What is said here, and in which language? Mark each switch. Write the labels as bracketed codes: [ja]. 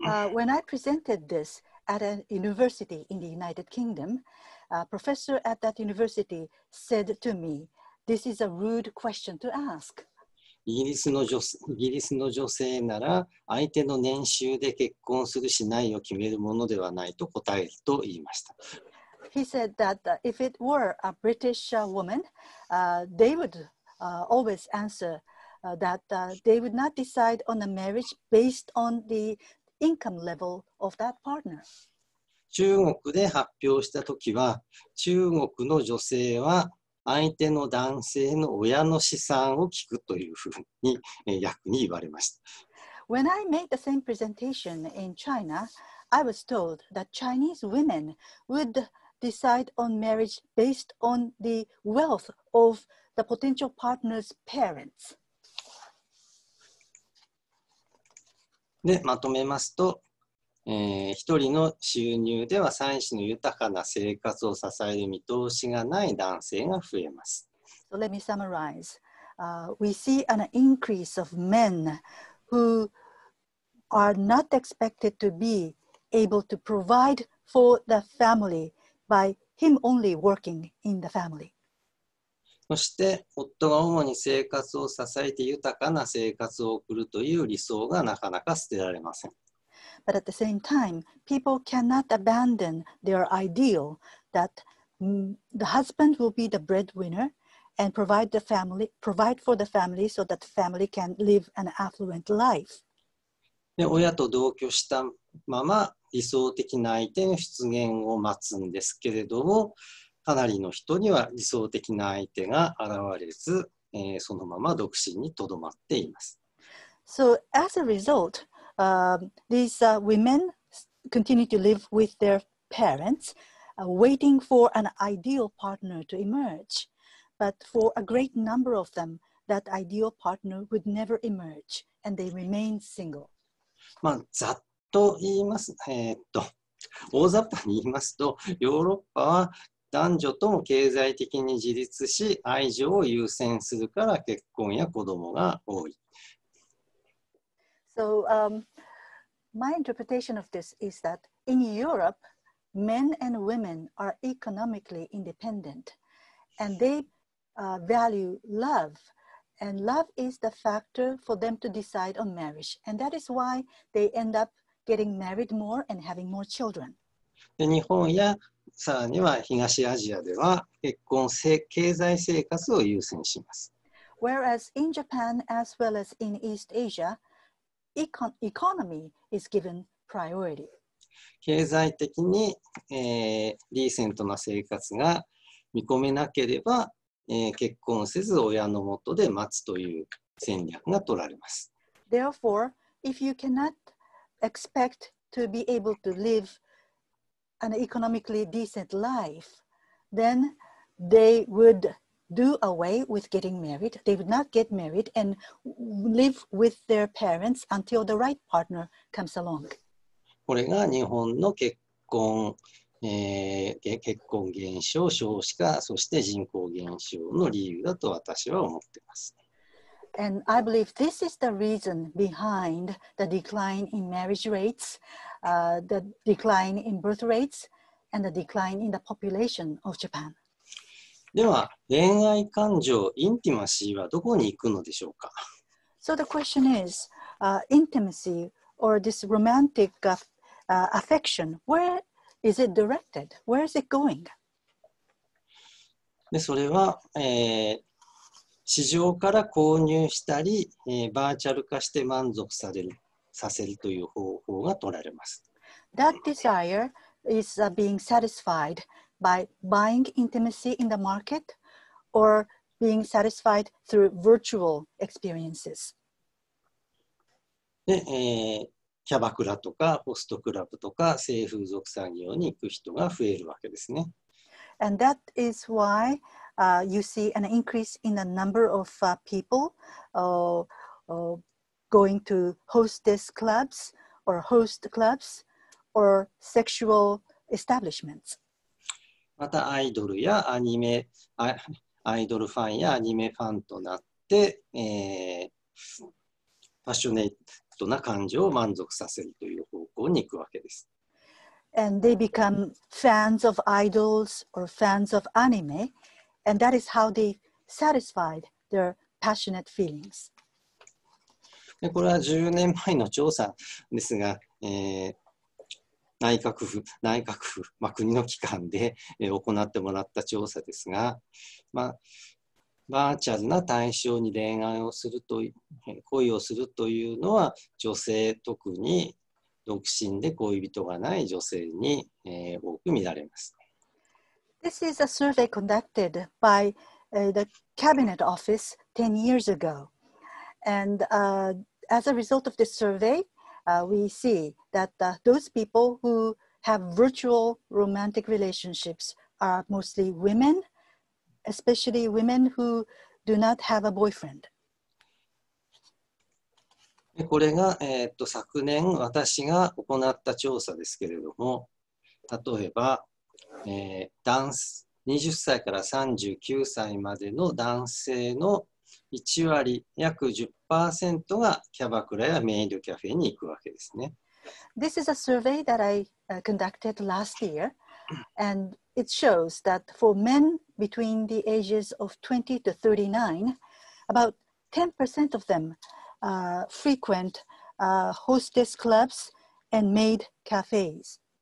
[en] When I presented this at a university in the United Kingdom, a professor at that university said to me, "This is a rude question to ask." [ja] イギリスの女性なら相手の年収で結婚するしないを決めるものではないと答えると言いました。 [en] He said that if it were a British woman, they would always answer that they would not decide on a marriage based on the income level of that partner. [ja] 中国で発表したときは、中国の女性は相手の男性の親の資産を聞くというふうに訳に言われました。 [en] When I made the same presentation in China, I was told that Chinese women would decide on marriage based on the wealth of the potential partner's parents. [ja] で、まとめますと、一人の収入では妻子の豊かな生活を支える見通しがない男性が増えます。 [en] So let me summarize. We see an increase of men who are not expected to be able to provide for the family by him only working in the family. [ja] そして夫が主に生活を支えて豊かな生活を送るという理想がなかなか捨てられません。 [en] But at the same time, people cannot abandon their ideal that the husband will be the breadwinner and provide for the family so that the family can live an affluent life. [ja] で、親と同居したまま理想的な相手の出現を待つんですけれども、かなりの人には理想的な相手が現れず、そのまま独身にとどまっています。 [en] So as a result,these women continue to live with their parents, waiting for an ideal partner to emerge. But for a great number of them, that ideal partner would never emerge, and they remain single. [ja] まあ、ざっと言います、大雑把に言いますと、ヨーロッパは男女とも経済的に自立し、愛情を優先するから結婚や子供が多い。 [en] So, my interpretation of this is that in Europe, men and women are economically independent and they value love. And love is the factor for them to decide on marriage. And that is why they end up getting married more and having more children. [ja] 日本やさらには東アジアでは結婚性、経済生活を優先します。 [en] Whereas in Japan as well as in East Asia,economy is given priority. [ja] 経済的に、リーセントな生活が見込めなければ、結婚せず親のもとで待つという戦略が取られます。 [en] Therefore, if you cannot expect to be able to live an economically decent life, then they would do away with getting married. They would not get married and live with their parents until the right partner comes along. [ja] これが日本の結婚、結婚減少、少子化、そして人口減少の理由だと私は思っています。 [en] And I believe this is the reason behind the decline in marriage rates, the decline in birth rates, and the decline in the population of Japan. [ja] では、恋愛感情、インティマシーはどこに行くのでしょうか。 [en] So the question is, intimacy or this romantic affection, where is it directed? Where is it going? [ja] で、それは、市場から購入したり、バーチャル化して満足させるという方法が取られます。 [en] That desire is being satisfied. By buying intimacy in the market or being satisfied through virtual experiences. [ja] で、キャバクラとかホストクラブとか性風俗産業に行く人が増えるわけですね。 [en] And that is why、you see an increase in the number of、people going to hostess clubs or host clubs or sexual establishments. [ja] またアイドルやアニメ、アイドルファンやアニメファンとなって、パッショネットな感情を満足させるという方向に行くわけです。 [en] And they become fans of idols or fans of anime, and that is how they satisfied their passionate feelings. [ja] でこれは10年前の調査ですが、内閣府、まあ、国の機関で、行ってもらった調査ですが、まあ、バーチャルな対象に恋愛をすると、恋をするというのは女性、特に独身で恋人がない女性に、多く見られます。 [en] This is a survey conducted by、the Cabinet Office 10 years ago. And、as a result of this survey,we see that、those people who have virtual romantic relationships are mostly women, especially women who do not have a boyfriend. [ja] これが、昨年私が行った調査ですけれども、例えば、男性20歳から39歳までの男性の1割、約 10% がキャバクラやメイドカフェに行くわけですね。 [en] This is a survey that I conducted last year, and it shows that for men between the ages of 20 to 39, about 10% of them frequent hostess clubs and maid cafes.